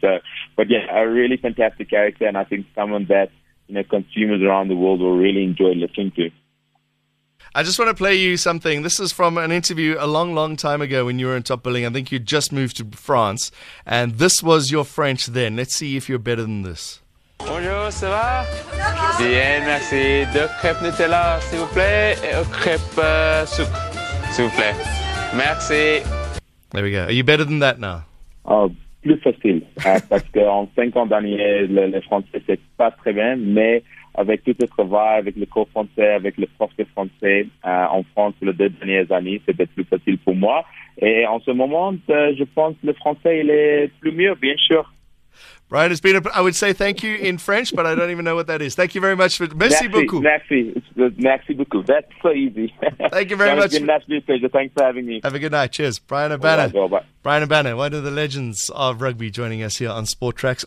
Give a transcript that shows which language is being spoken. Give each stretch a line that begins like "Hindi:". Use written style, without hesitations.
English: So, but yeah, a really fantastic character, and I think someone that, you know, consumers around the world will really enjoy listening to. I just want to play you something. This is from an interview a long, long time ago when you were in top billing. I think you just moved to France, and this was your French then. Let's see if you're better than this.
French: Bonjour, ça va? Bien, merci. De crêpes Nutella, s'il vous plaît, et de crêpes sucre, s'il vous plaît. Merci.
English: There we go. Are you better than that now?
French: Plus facile. Parce qu'en 5 ans d'années, le français, c'est pas très bien, mais avec tout le travail, avec le cours français, avec le prof de français, en France, les 2 dernières années, c'était plus facile pour moi. Et en ce moment, je pense que le français, il est plus mieux, bien sûr.
English: Bryan, it's been I would say thank you in French, but I don't even know what that is. Thank you very much.
French: Merci beaucoup. Merci beaucoup.
English: That's so easy. Thank you very much. That's a pleasure. Thanks for having me. Have a good night. Cheers. Bryan Habana. Bryan Habana, one of the legends of rugby, joining us here on Sport Tracks.